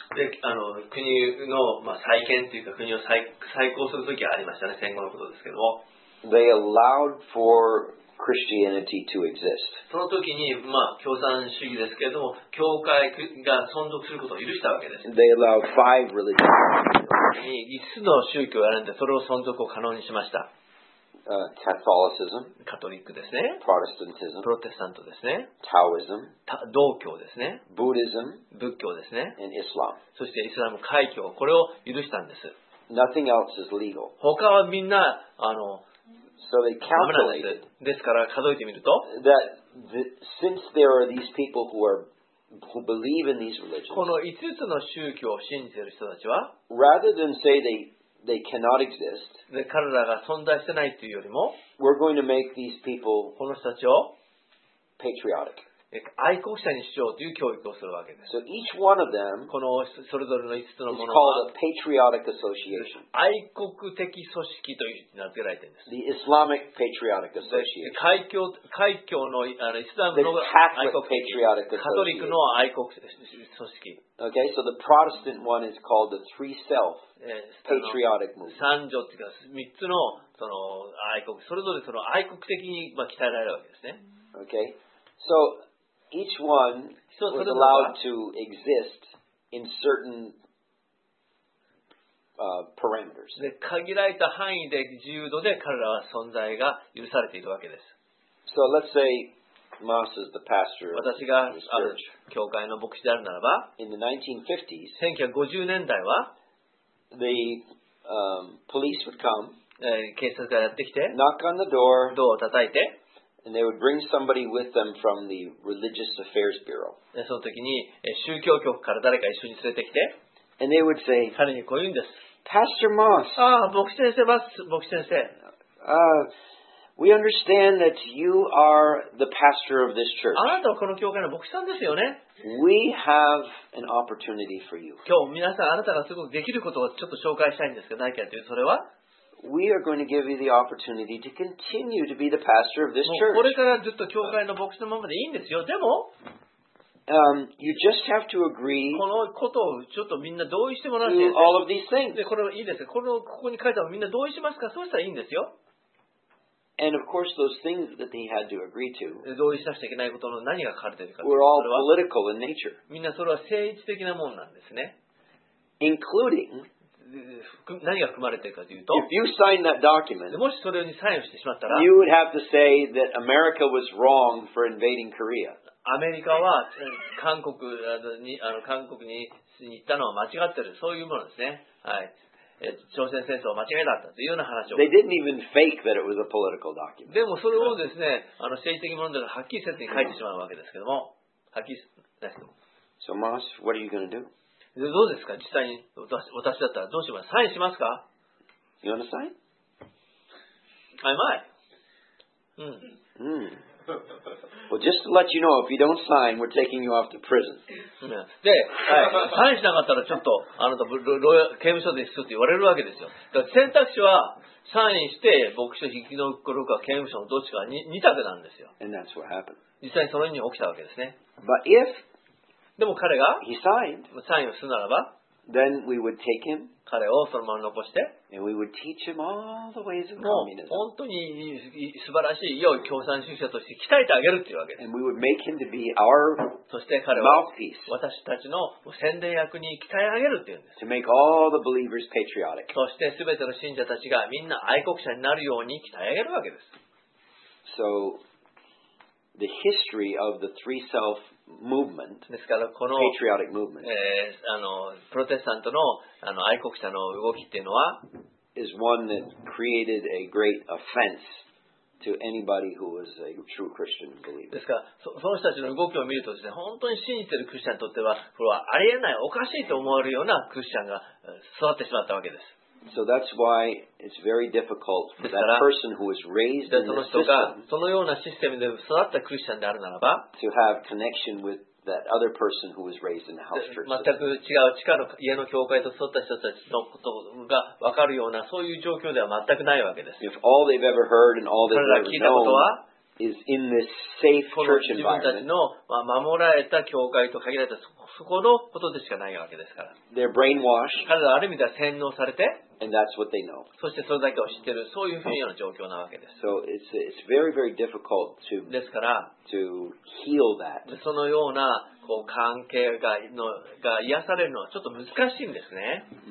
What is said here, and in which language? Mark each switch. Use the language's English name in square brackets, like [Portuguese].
[Japanese] で、国の、まあ、再建というか国を 再興するときがありましたね、戦後のことですけど。 [English] They allowed for Christianity to exist. [Japanese] その時に、まあ、共産主義ですけれども、教会が存続することを許したわけです。 [English] They allowed five religions. [Japanese] 5つの宗教を選んで、それを存続を可能にしました。 [English] Catholicism. [Japanese] カトリックですね。 [English] Protestantism. [Japanese] プロテスタントですね。 [English] Taoism. [Japanese] 道教ですね。 [English] Buddhism. [Japanese] 仏教ですね。 [English] And Islam. [Japanese] そしてイスラム海教、これを許したんです。 [English] Nothing else is legal. [Japanese] 他はみんな、 [English] So they calculated. [Japanese] ですから数えてみると、 [English] that since there are these people who believe in these religions, [Japanese] この5つの宗教を信じている人たちは、 [English] rather than say they cannot exist, [Japanese] で彼らが存在してないというよりも、 [English] we're going to make these people, [Japanese] この人たちを、 [English] patriotic, [Japanese] 愛国者にしようという教育をするわけです。 [English] So each one of them, [Japanese] このそれぞれの5つのものは、 [English] is called a patriotic association. [Japanese] 愛国的組織という名付けられているんです。 [English] The Islamic Patriotic Association. [Japanese] 海峡のイスラムの愛国的組織。カトリックの愛国組織。 [English] Okay, so the Protestant one is called the Three Self Patriotic Movement. [Japanese] 三女というか、三つのその愛国、それぞれその愛国的に鍛えられるわけですね。 [English] Okay, so each one was allowed to exist in certain parameters. [Japanese] で、限られた範囲で自由度で彼らは存在が許されているわけです。 [English] So let's say Moss is the pastor of this church. [Japanese] 私が教会の牧師であるならば、 [English] in the 1950s, [Japanese] 1950年代は、 [English] the police would come, [Japanese] 警察がやってきて、 [English] knock on the door, [Japanese] ドアを叩いて、 [English] And they would bring somebody with them from the Religious Affairs Bureau. [Japanese] で、その時に宗教局から誰か一緒に連れてきて、 [English] And they would say, [Japanese] 彼にこう言うんです。 [English] Pastor Moss. [Japanese] Ah, 牧師先生ます。牧師先生。 [English] We understand that you are the pastor of this church. [Japanese] あなたはこの教会の牧師さんですよね。 [English] We have an opportunity for you. [Japanese] 今日皆さんあなたがすごくできることをちょっと紹介したいんですが、何かというとそれは。 [English] We are going to give you the opportunity to continue to be the pastor of this church. [Japanese] これからずっと教会の牧師のままでいいんですよ。でも、 [English] you just have to agree. [Japanese] このことをちょっとみんな同意してもらって。 [English] All of these things. [Japanese] でこれいいですか。このここに書いたのみんな同意しますか。そうしたらいいんですよ。 [English] And of course, those things that they had to agree to. [Japanese] 同意しなくちゃいけないことの何が書かれているか。 [English] Were all political in nature. [Japanese] みんなそれは政治的なものなんですね。 [English] Including. [Japanese] 何が含まれているかというと、 [English] If you sign that document, [Japanese] もしそれにサインしてしまったら、 [English] you would have to say that America was wrong for invading Korea. [Japanese] アメリカは韓国に、韓国に行ったのは間違ってる、そういうものですね。はい、朝鮮戦争は間違いだったというような話を。 [English] They didn't even fake that it was a political document. [Japanese] でもそれをですね、政治的問題がはっきりせずに書いてしまうわけですけども、はっきりですけども。 [English] So Moss, what are you going to do? [Japanese] どうですか実際に私だったらどうしますサインしますか [English] You want to sign? I might. Well, just to let you know, if you don't sign, we're taking you off to prison. [Japanese] で、はい、サインしなかったらちょっとあなた刑務所ですって言われるわけですよ。だから選択肢はサインして牧師を引き抜くか刑務所のどっちかに2択なんですよ。 [English] And that's what happened. [Japanese] 実際にそのように起きたわけですね。 [English] But if [Japanese] でも彼が [English] He signed. [Japanese] サインをするならば [English] Then we would take him. [Japanese] 彼をそのまま残して [English] And we would teach him all the ways of communism. [Japanese] 本当に素晴らしい良い共産主義者として鍛えてあげるというわけです [English] And we would make him to be our [Japanese] そして彼は私たちの宣伝役に鍛え上げるというんです [English] To make all the believers patriotic. [Japanese] そして全ての信者たちがみんな愛国者になるように鍛え上げるわけです [English] So the history of the three selfMovement, [Japanese] ですからこの、 [English] patriotic movement, [Japanese] プロテスタントの、愛国者の動きっていうのは、 [English] is one that created a great offense to anybody who was a true Christian believer. [Japanese] ですから、その人たちの動きを見るとですね、本当に信じているクリスチャンにとっては、これはありえない、おかしいと思われるようなクリスチャンが育ってしまったわけです。 [English] So that's why it's very difficult for that person who was raised in this system. [Japanese] そのようなシステムで育ったクリスチャンであるならば、 [English] to have connection with that other person who was raised in the house church. [Japanese] 全く違う地下の家の教会と育った人たちのことが分かるようなそういう状況では全くないわけです。 [English] If all they've ever heard and all they've ever known is in this safe church environment, [Japanese] 自分たちの守られた教会と限られたそこのことでしかないわけですから。 [English] They're brainwashed. [Japanese] 彼らはある意味では洗脳されて。 [English] And that's what they know. [Japanese] そしてそれだけを知っている、そういうふうな状況なわけです。 [English] So it's very, very difficult to, [Japanese] ですから、 [English] to heal that. [Japanese] そのようなこう関係 が癒されるのはちょっと難しいんですね。